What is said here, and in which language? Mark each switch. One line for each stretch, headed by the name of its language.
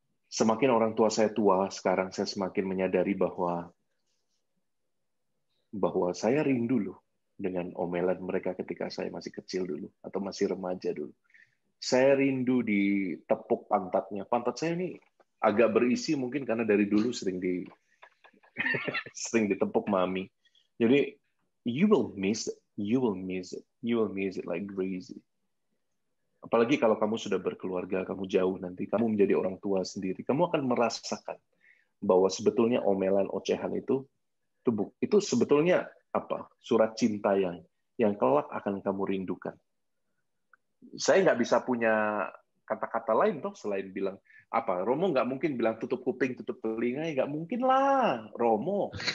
Indonesian: Semakin orang tua saya tua, sekarang saya semakin menyadari bahwa saya rindu loh dengan omelan mereka ketika saya masih kecil dulu, atau masih remaja dulu. Saya rindu ditepuk pantatnya. Pantat saya ini agak berisi mungkin karena dari dulu sering di sering ditepuk mami.
English: Jadi you will miss it like crazy.
Indonesian: Apalagi kalau kamu sudah berkeluarga, kamu jauh nanti, kamu menjadi orang tua sendiri, kamu akan merasakan bahwa sebetulnya omelan ocehan itu sebetulnya apa? Surat cinta yang kelak akan kamu rindukan. Saya nggak bisa punya kata-kata lain toh selain bilang apa, Romo nggak mungkin bilang tutup kuping tutup telinga ya, nggak mungkin lah Romo.